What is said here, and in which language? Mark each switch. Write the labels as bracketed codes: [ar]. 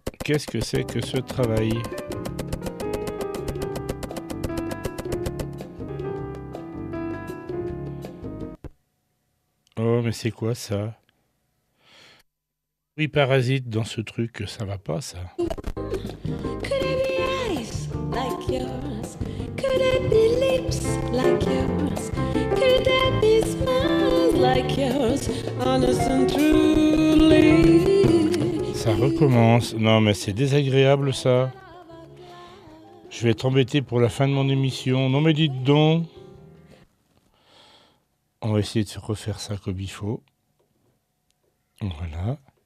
[fr] Qu'est-ce que c'est que ce travail ? Oh, mais c'est quoi ça ? Oui, parasite dans ce truc, ça va pas, ça. [en] Could it be eyes like yours? Could it be lips like yours? Could it be smiles like yours? Honest and truly. [fr] Ça recommence. Non, mais c'est désagréable, ça. Je vais être embêté pour la fin de mon émission. Non, mais dites donc. On va essayer de refaire ça comme il faut. Voilà.